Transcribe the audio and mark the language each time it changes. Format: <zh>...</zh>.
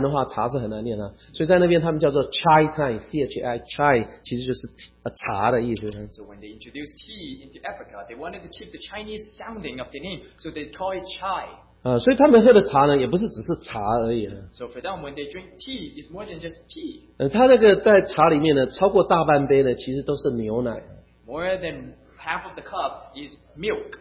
<zh>然后呢，但是这个传过去的时候呢，他们想要保留原来的发音，但是呢，又念不出来哈。茶，你知道，不是华人的话，茶是很难念的，所以在那边他们叫做 chai time，chai chai 其实就是茶的意思。</zh> <en>So when they introduced tea into Africa, they wanted to keep the Chinese sounding of the name, so they call it chai.</en> <zh>所以他们喝的茶呢，也不是只是茶而已。</zh> <en>So for them, when they drink tea, it's more than just tea.</en> <zh>他那个在茶里面呢，超过大半杯呢，其实都是牛奶。</zh> <en>More than half of the cup is milk.</en>